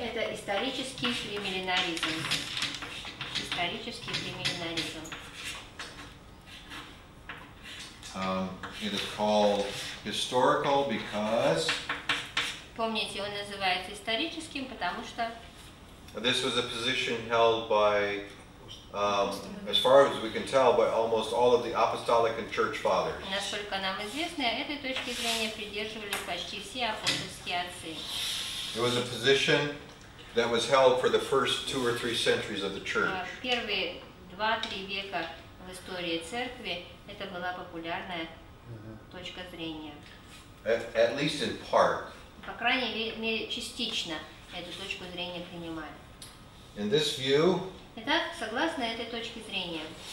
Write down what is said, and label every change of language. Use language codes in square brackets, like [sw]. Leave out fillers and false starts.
[ru] Это исторический премиллинаризм. Исторический премиллинаризм. [en] It is called historical because. [ru] Помните, он называется историческим, потому что. [en] This was a position held by. As far as we can tell, by almost all of the apostolic and church fathers. [ru] Насколько нам известно, этой точки зрения придерживались почти все апостольские отцы. [en] It was a position that was held for the first two or three centuries of the church. [ru] Первые 2-3 века в истории церкви это была популярная точка зрения. [en] At least in part. [ru] По крайней мере частично эту точку зрения принимали. [en] In this view. [ru] Итак, согласно этой точке зрения,